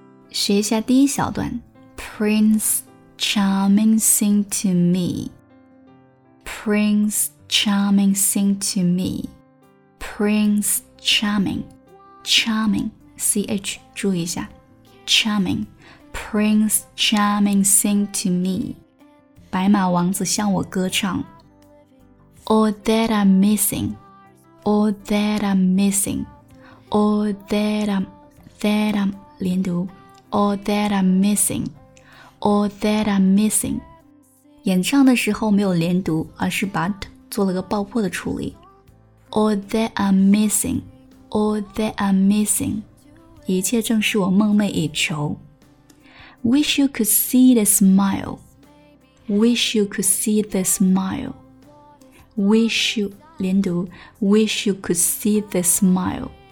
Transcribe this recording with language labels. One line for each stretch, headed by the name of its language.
English: 学一下第一小段 Prince Charming sing to me Prince Charming sing to me Prince Charming Charming CH
Chinese: 注意一下
English: Charming Prince Charming sing to me
Chinese: 白马王子向我歌唱
English: All that I'm missing All that I'm missing All that I'm
Chinese: 连读
English: All that I'm missing, all that I'm missing.
Chinese: 演唱的时候没有连读，而是把 t 做了个爆破的处理。
English: All that I'm missing, all that I'm missing.
Chinese: 一切正是我梦寐以求。
English: Wish you could see the smile, wish you could see the smile. Wish you,
Chinese: 连读
English: wish you could see the smile.